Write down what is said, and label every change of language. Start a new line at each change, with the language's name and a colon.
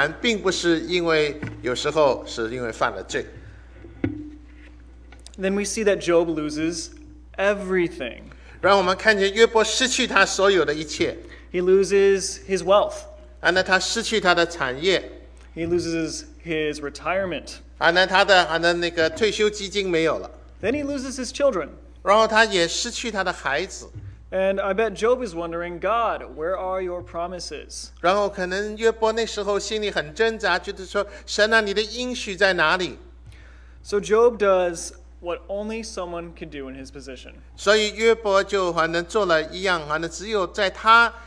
Chinese: 正如我们刚刚Sarah所讲的见证，我们遇到困难，并不是因为有时候是因为犯了罪。
English: Then we see that Job loses everything.
Chinese: 让我们看见约伯失去他所有的一切。
English: He loses his wealth.
Chinese: 那他失去他的产业。
English: He loses his retirement.
Chinese: 那他的那个退休基金没有了。
English: Then he loses his children.
Chinese: 然后他也失去他的孩子。
English: And I bet Job is wondering, God, where are your promises?
Chinese: 然后可能约伯那时候心里很挣扎，就是说，神啊，你的应许在哪里？
English: So Job does what only someone can do in his position.
Chinese: 所以约伯就还能做了一样，只有在他。